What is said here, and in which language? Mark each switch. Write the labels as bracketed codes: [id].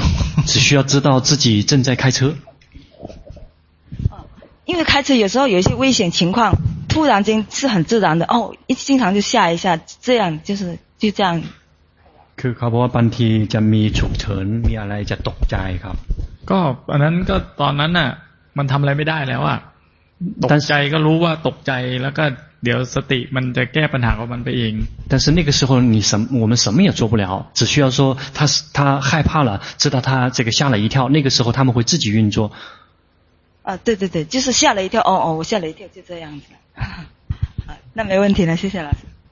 [zh] 只需要知道自己正在开车因为开车有时候有一些危险情况突然间是很自然的哦一经常就吓一下这样就这样 [th] คือเขาบอกว่าบางทีจะมีฉุกเฉินมีอะไรจะตกใจครับ ก็อันนั้นก็ตอนนั้นน่ะมันทำอะไรไม่ได้แล้วอ่ะตกใจก็รู้ว่าตกใจแล้วก็เดี๋ยวสติมันจะแก้ปัญหาของมันไปเอง [zh] 但是那个时候我们什么也做不了只需要说他害怕了知道他这个吓了一跳那个时候他们会自己运作啊对对对就是吓了一跳哦我吓了一跳就这样子那没问题了谢谢老师